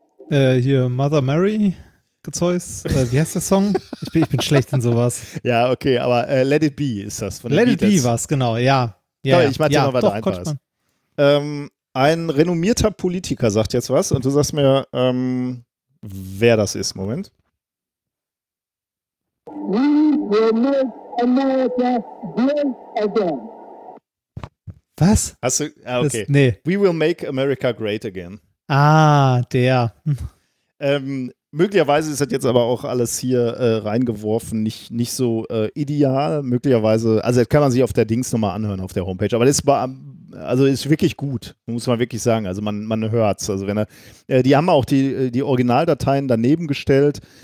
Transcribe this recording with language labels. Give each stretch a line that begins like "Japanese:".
German: Hier Mother Mary, Zeus. Wie heißt der Song? Ich bin schlecht in sowas. Ja, okay, aber Let It Be ist das. Von Let It Be war es, genau, ja. Ja, ich mach dir mal was Einfaches. Ein renommierter Politiker sagt jetzt was und du sagst mir, wer das ist. Moment.
English: will make America great again.
German: Was? Hast du, okay. Das, nee.
English: We will make America great again.
German: Ah, der. Möglicherweise ist das jetzt aber auch alles hier reingeworfen, nicht so ideal. Möglicherweise, also das kann man sich auf der Dings nochmal anhören, auf der Homepage. Aber das ist, also ist wirklich gut, muss man wirklich sagen. Also man hört es. Also wenn er, die haben auch die Originaldateien daneben gestellt.